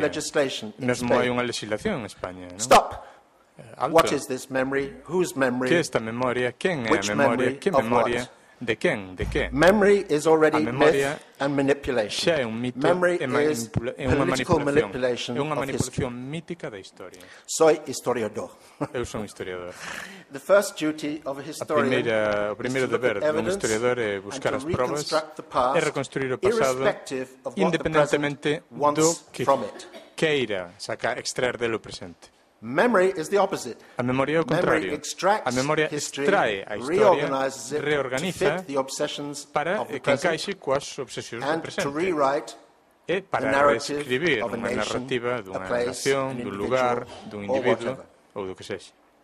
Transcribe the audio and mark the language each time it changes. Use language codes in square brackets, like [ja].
[gl] Mesmo hai unha legislación en España. [en] Stop! What is this memory? Whose memory? [gl] Que é esta memoria? Quen é a memoria? Que memoria? [es] ¿De quién? ¿De qué? [en] Memory is already myth and manipulation. [es] Ya es un mito. [en] Memory is political manipulation. [es] Es una manipulación mítica de historia. Soy historiador. Yo soy historiador. [en] The first duty of a historian [es] o primero deber de un historiador es buscar las pruebas y reconstruir el pasado independientemente de que queira extraer de lo presente. [en] Memory is the opposite. [gl] A memoria é o contrario. A memoria extrae a historia, reorganiza para que encaixe coas obsesións do presente. E para reescribir unha narrativa dunha nación, dun lugar, dun individuo ou do que sexe.